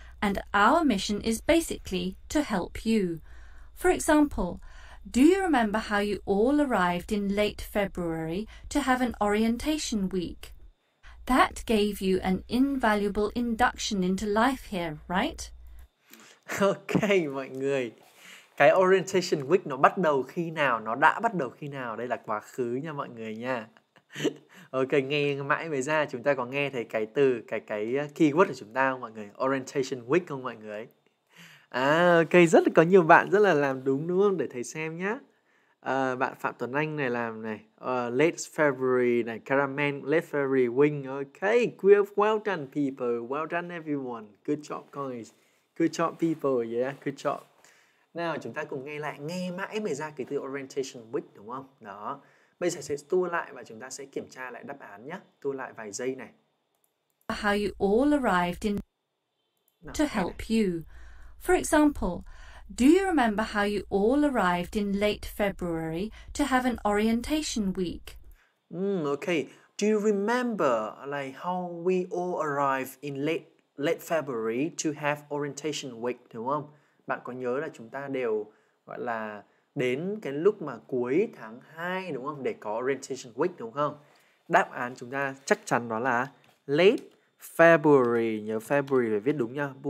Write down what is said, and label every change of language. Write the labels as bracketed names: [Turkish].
[English] And our mission is basically to help you. For example, do you remember how you all arrived in late February to have an orientation week? That gave you an invaluable induction into life here, right? [Vietnamese] Ok mọi người, cái orientation week nó bắt đầu khi nào? Nó đã bắt đầu khi nào? Đây là quá khứ nha mọi người nha. Ok, nghe mãi mới ra chúng ta có nghe thấy cái từ, cái keyword của chúng ta không mọi người? Orientation week không mọi người? À ok, rất là có nhiều bạn rất là làm đúng không? Để thầy xem nhá. Bạn Phạm Tuấn Anh này làm này, late February này, Caramel late February wing. [English] Ok, well done people, well done everyone, good job guys, good job people, yeah, good job. [Vietnamese] Nào chúng ta cùng nghe lại, nghe mãi mới ra cái từ orientation week đúng không? Đó, bây giờ sẽ tua lại và chúng ta sẽ kiểm tra lại đáp án nhá. Tua lại vài giây này. [English] How you all arrived in to help you. For example, do you remember how you all arrived in late February to have an orientation week? Okay. Do you remember like how we all arrived in late February to have orientation week, [Vietnamese] đúng không? Bạn có nhớ là chúng ta đều gọi là đến cái lúc mà cuối tháng 2 đúng không để có orientation week đúng không? Đáp án chúng ta chắc chắn đó là late February, nhớ February phải viết đúng nha.